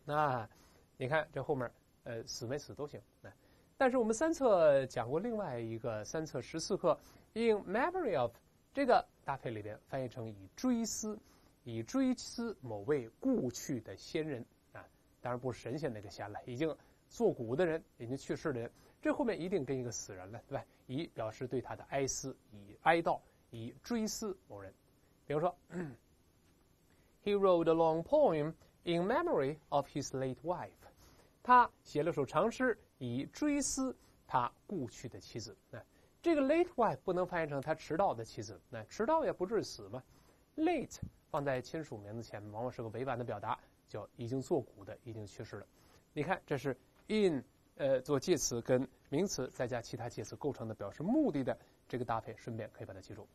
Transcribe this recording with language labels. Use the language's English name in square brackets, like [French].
[Chinese] 那、啊、你看这后面，死没死都行。那、啊、但是我们三册讲过另外一个三册十四课 ，in memory of 这个搭配里边翻译成以追思，以追思某位故去的先人啊，当然不是神仙那个仙了，已经作古的人，已经去世的人。这后面一定跟一个死人了，对吧？以表示对他的哀思，以哀悼，以追思某人。比如说 [English] ，He wrote a long poem in memory of his late wife。 [Chinese] 他写了首长诗，以追思他故去的妻子。那这个 late wife 不能翻译成他迟到的妻子。那迟到也不至于死嘛。 late 放在亲属名字前，往往是个委婉的表达，叫已经作古的，已经去世了。你看，这是 in。做介词跟名词再加其他介词构成的表示目的的这个搭配，顺便可以把它记住。